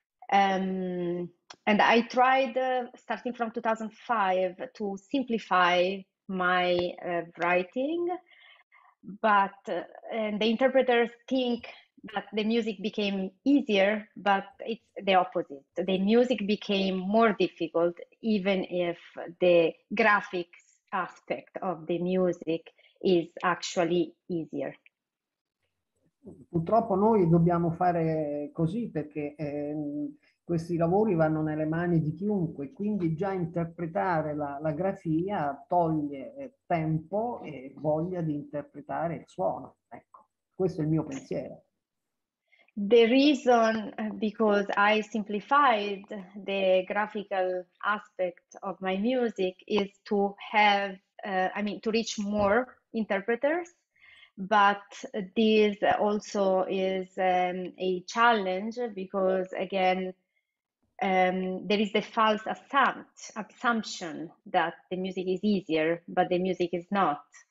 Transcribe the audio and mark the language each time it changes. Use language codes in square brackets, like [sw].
[en] And I tried starting from 2005 to simplify my writing, but the interpreters think that the music became easier, but it's the opposite. The music became more difficult, even if the graphics aspect of the music is actually easier. [it] Purtroppo noi dobbiamo fare così perché questi lavori vanno nelle mani di chiunque, quindi già interpretare la grafia toglie tempo e voglia di interpretare il suono. Ecco, questo è il mio pensiero. [en] The reason because I simplified the graphical aspect of my music is to have, to reach more interpreters. But this also is a challenge because, again, there is the false assumption that the music is easier, but the music is not.